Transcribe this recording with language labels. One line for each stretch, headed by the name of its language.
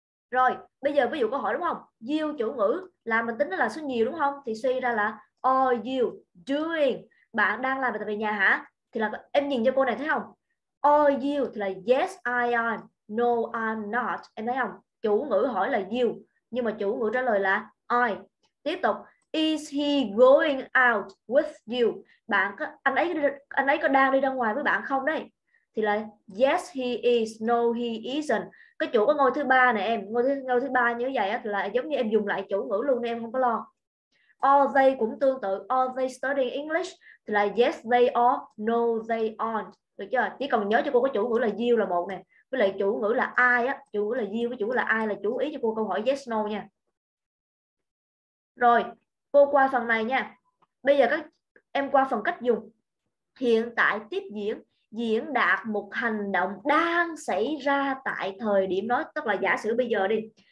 Vietnamese: Rồi, bây giờ ví dụ câu hỏi đúng không? You chủ ngữ là mình tính nó là số nhiều đúng không? Thì suy ra là
English: are you doing?
Vietnamese: Bạn đang làm việc về nhà hả? Thì là em nhìn cho cô này thấy không?
English: Are you
Vietnamese: thì là
English: yes I am, no I'm not.
Vietnamese: Em thấy không? Chủ ngữ hỏi là you, nhưng mà chủ ngữ trả lời là I. Tiếp tục, is he going out with you? Bạn có, anh ấy có đang đi ra ngoài với bạn không đấy? Thì là
English: yes he is, no he isn't.
Vietnamese: Cái chủ có ngôi thứ ba này em, ngôi thứ ba như vậy á, thì là giống như em dùng lại chủ ngữ luôn nên em không có lo.
English: Are they
Vietnamese: cũng tương tự,
English: are they studying English?
Vietnamese: Thì là
English: yes they are, no they aren't.
Vietnamese: Được chưa? Chỉ cần nhớ cho cô có chủ ngữ là you là một nè, với lại chủ ngữ là ai á, chủ ngữ là you với chủ ngữ là ai là chú ý cho cô câu hỏi yes no nha. Rồi, cô qua phần này nha. Bây giờ các em qua phần cách dùng. Hiện tại tiếp diễn diễn đạt một hành động đang xảy ra tại thời điểm đó, tức là giả sử bây giờ đi.